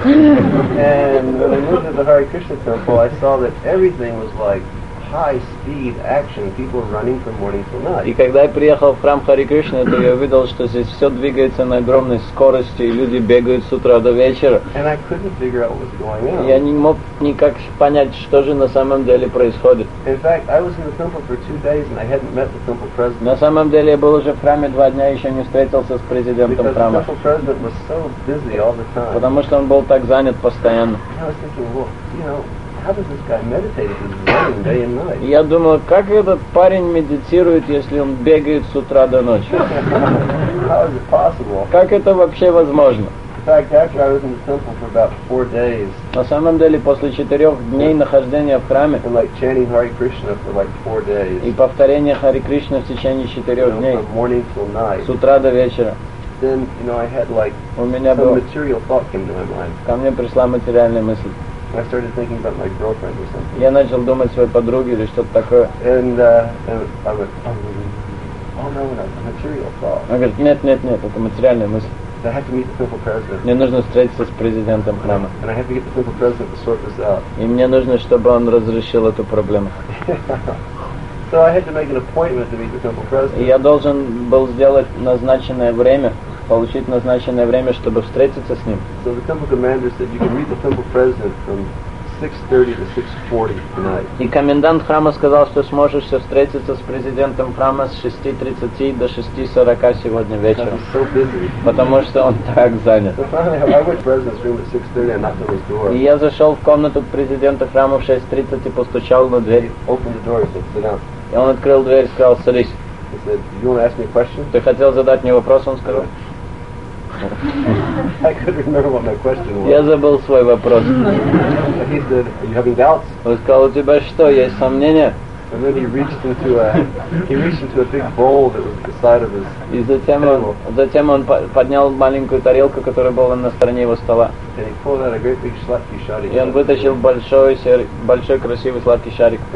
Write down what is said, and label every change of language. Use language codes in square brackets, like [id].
[en] And when I moved into the Hare Krishna temple, I saw that everything was like high speed action, people running from morning till night. [ru] И когда я приехал в храм Харе Кришна, то я увидел, что здесь все двигается на огромной скорости, и люди бегают с утра до вечера. [en] And I couldn't figure out what's going on. [ru] Я не мог никак понять, что же на самом деле происходит. [en] In fact, I was in the temple for 2 days and I hadn't met the temple president. [ru] На самом деле я был уже в храме 2 дня, еще не встретился с президентом храма. [en] Because the temple president was so busy all the time. [ru] Потому что он был так занят постоянно. [en] I was thinking, well, you know, how does this guy meditate if he's running day and night? [ru] Я думал, как этот парень медитирует, если он бегает с утра до ночи? [en] How is it possible? [ru] Как это вообще возможно? [en] In fact, after I was in the temple for about 4 days. [ru] На самом деле, после 4 дней нахождения в храме. [en] And like chanting Hare Krishna for like 4 days. [ru] И повторение Hare Krishna в течение 4 дней. [en] From morning till night. [ru] С утра до вечера. [en] Then, you know, I had like some material thought came to my mind. [ru] Ко мне пришла материальная мысль. [en] I started thinking about my girlfriend or something. [ru] Я начал думать о своей подруге или что-то такое. [en] And I would, material thought. [ru] Он говорит, нет, это материальная мысль. [en] I have to meet the temple president. [ru] Мне нужно встретиться с президентом храма. [en] And I have to get the temple president to sort this out. [ru] И мне нужно, чтобы он разрешил эту проблему. [en] So I had to make an appointment to meet the temple president. [ru] И я должен был сделать назначенное время. Получить назначенное время, чтобы встретиться с ним. [en] So the temple commander said you can meet the temple president from 6:30 to 6:40 tonight. [ru] И комендант храма сказал, что сможешь встретиться с президентом храма с 6:30 to 6:40 сегодня вечером. [en] He's so busy. [ru] Потому что он так занят. [en] So finally, I went to president's room at 6:30 and knocked on his door. [ru] И я зашел в комнату к президенту храма в 6:30 и постучал на дверь. [en] He opened the door and said, "Sit down." [ru] И он открыл дверь и сказал, садись. [en] He said, "Do you want to ask me a question?" [ru] Ты хотел задать мне вопрос, он сказал. [en] I couldn't remember what my question was. [ru] Я забыл свой вопрос. [en] He said, "Are you having doubts?" [ru] Он сказал, у тебя что, есть сомнения? [en] And then he reached into a big bowl that was at the side of his table. [ru] И затем он поднял маленькую тарелку, которая была на стороне его стола. [en] And he pulled out a great big [ru] sladky shari. И он вытащил большой красивый сладкий шарик.